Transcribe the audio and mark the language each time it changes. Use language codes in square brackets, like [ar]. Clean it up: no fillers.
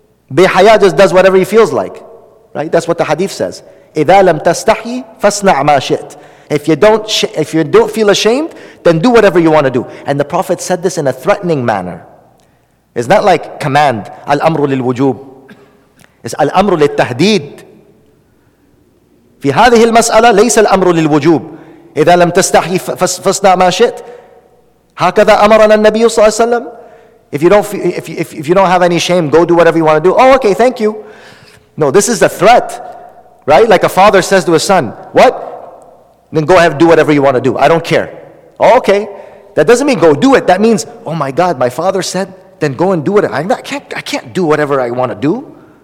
[en] Bihaya just does whatever he feels like. Right? That's what the hadith says. [ar] إِذَا لَمْ تَسْتَحْيِ فَاسْنَعْ مَا شِئْتْ. [en] If you don't feel ashamed, then do whatever you want to do. And the Prophet said this in a threatening manner. It's not like command, [ar] al-amru lil-wujub. [en] It's [ar] al-amru lil-tahdeed. في هذه المسألة ليس الأمر للوجوب. إذا لم تستحي فاصنع ما شئت. هكذا أمرنا النبي صلى الله عليه وسلم. [en] If you don't have any shame, go do whatever you want to do. Oh, okay, thank you. No, this is a threat, right? Like a father says to his son, what? Then go ahead, do whatever you want to do. I don't care. Oh, okay. That doesn't mean go do it. That means, oh my God, my father said, then go and do it. I can't do whatever I want to do.